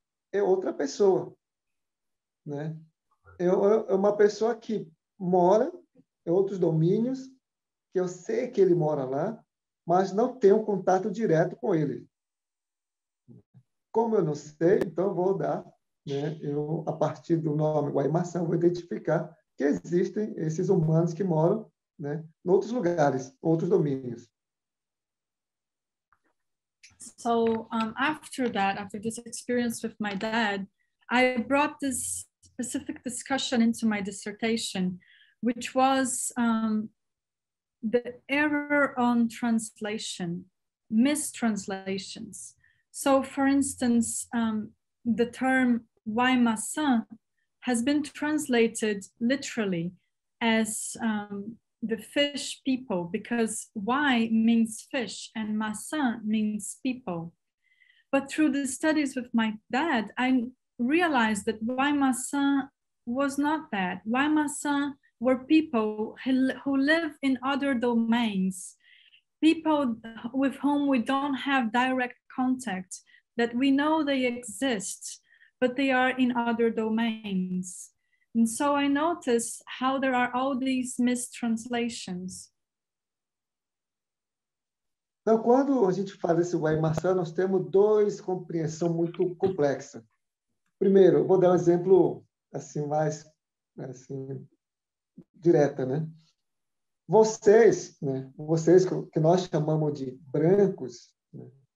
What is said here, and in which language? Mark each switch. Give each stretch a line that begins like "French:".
Portuguese: É outra pessoa. Né? É uma pessoa que mora em outros domínios, que eu sei que ele mora lá, mas não tenho contato direto com ele. Como eu não sei, então vou dar, né, eu, a partir do nome Waimarsã, vou identificar que existem esses humanos que moram, né, em outros lugares, outros domínios.
English: So, after that, after this experience with my dad, I brought this specific discussion into my dissertation, which was the error on translation, mistranslations. So for instance, the term Waimarsã has been translated literally as the fish people, because Wai means fish and Marsã means people. But through the studies with my dad, I realized that Waimarsã was not that. Waimarsã were people who live in other domains, people with whom we don't have direct contact, that we know they exist, but they are in other domains. And so I notice how there are all these mistranslations.
Portuguese: Então, quando a gente fala esse Waimarsã, nós temos dois compreensões muito complexas. Primeiro, vou dar um exemplo assim, mais assim, direto. Né? Vocês, né? Vocês que nós chamamos de brancos, né?